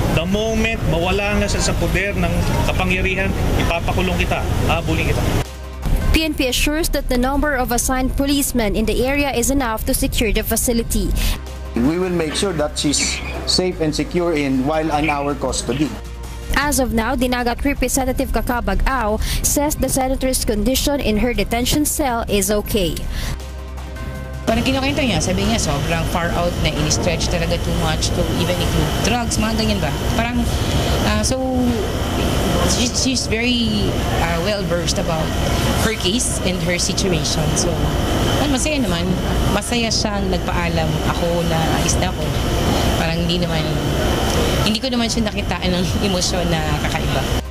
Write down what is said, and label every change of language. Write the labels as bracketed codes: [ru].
[tl] The moment mawala na siya sa poder ng kapangyarihan, ipapakulong kita, hahabulin kita. [en] PNP assures that the number of assigned policemen in the area is enough to secure the facility. We will make sure that she's safe and secure in while in our custody. As of now, Dinagat Representative Kakabag-Au says the senator's condition in her detention cell is okay. [tl] Parang kinukwento niya, sabi niya sobrang far out na in-stretch talaga [en] too much to even include drugs, [tl] mga ganyan ba? [en] Parang, so she's very well-versed about her case and her situation. [tl] So, masaya naman. Masaya siyang nagpaalam ako na isda ko. Parang hindi ko naman siya nakita ng emosyon na kakaiba.